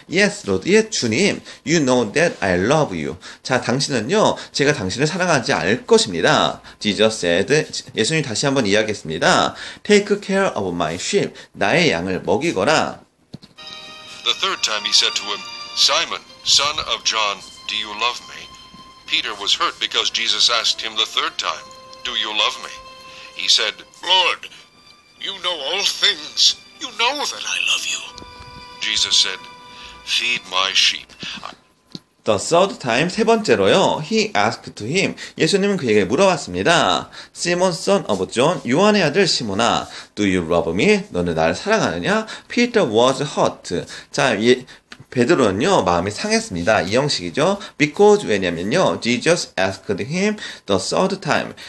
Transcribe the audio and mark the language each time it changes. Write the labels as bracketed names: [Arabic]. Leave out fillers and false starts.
[English] Yes, Lord, [Korean] 예, 주님, [English] you know that I love you. [Korean] 자, 당신은요, 제가 당신을 사랑하지 않을 것입니다. [English] Jesus said, [Korean] 예수님이 다시 한번 이야기했습니다. [English] Take care of my sheep, [Korean] 나의 양을 먹이거라. [English] The third time he said to him, Simon, son of John, Do you love me? Peter was hurt because Jesus asked him the third time, Do you love me? He said, Lord, you know all things. You know that I love you. Jesus said, Feed my sheep. The third time, [Korean] 세 번째로요. [English] He asked to him, [Korean] 예수님은 그에게 물어봤습니다. [English] Simon, son of John, [Korean] 요한의 아들 시몬아, [English] Do you love me? [Korean] 너는 나를 사랑하느냐? [English] Peter was hurt. [Korean] 자, 예, 베드로는요 마음이 상했습니다. 이 형식이죠. [English] Because [Korean] 왜냐면요 [English] Jesus asked him the third time.